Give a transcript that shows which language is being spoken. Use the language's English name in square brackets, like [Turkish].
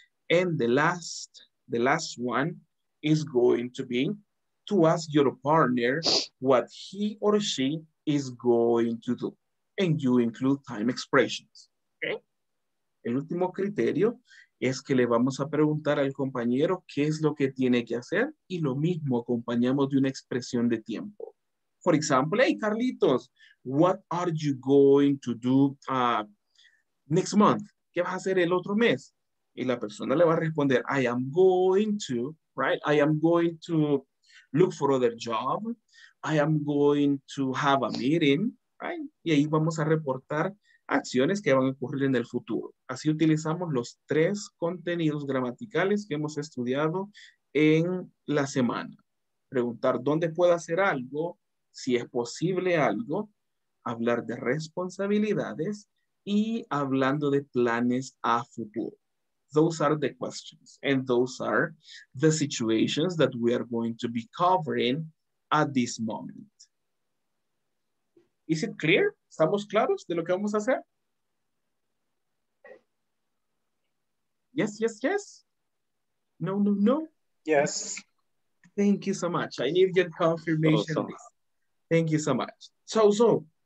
[English] And the last one is going to be to ask your partner what he or she is going to do. And you include time expressions. Okay? [Spanish] El último criterio es que le vamos a preguntar al compañero qué es lo que tiene que hacer y lo mismo acompañamos de una expresión de tiempo. [English] For example, hey, Carlitos, what are you going to do next month? [Spanish] ¿Qué vas a hacer el otro mes? Y la persona le va a responder, [English] I am going to, right? I am going to look for other job. I am going to have a meeting, right? [Spanish] Y ahí vamos a reportar acciones que van a ocurrir en el futuro. Así utilizamos los tres contenidos gramaticales que hemos estudiado en la semana. Preguntar dónde puedo hacer algo, si es posible algo, hablar de responsabilidades y hablando de planes a futuro. [English] Those are the questions and those are the situations that we are going to be covering at this moment. Is it clear? [Spanish] ¿Estamos claros de lo que vamos a hacer? [English] Yes, yes, yes. No, no, no. Yes. Thank you so much. I need your confirmation. Oh, so. Thank you so much. So.